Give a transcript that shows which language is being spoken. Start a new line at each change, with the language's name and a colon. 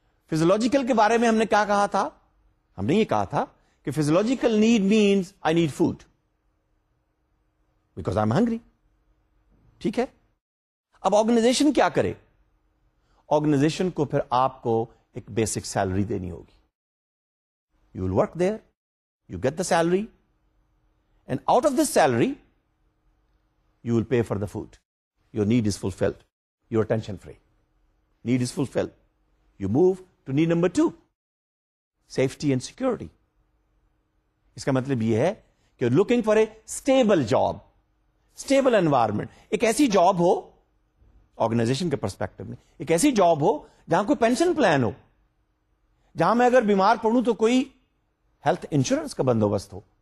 Urdu: Physiological کے بارے میں ہم نے کیا کہا تھا؟ ہم نے یہ کہا تھا کہ
English: Physiological need means I need food because I am hungry.
Urdu: ٹھیک ہے, اب آرگنائزیشن کیا کرے؟ آرگنائزیشن کو پھر آپ کو ایک بیسک سیلری دینی ہوگی.
English: You will work there, you get the salary, and out of this salary you will pay for the food. Your need is fulfilled, your tension free. Need is fulfilled, you move to need number two, safety and security.
Urdu: اس کا مطلب یہ ہے کہ
English: Looking for a stable job, stable environment.
Urdu: ایک ایسی job ہو organization کے perspective میں, ایک ایسی جاب ہو جہاں کوئی پینشن پلان ہو, جہاں میں اگر بیمار پڑوں تو کوئی ہیلتھ انشورنس کا بندوبست ہو,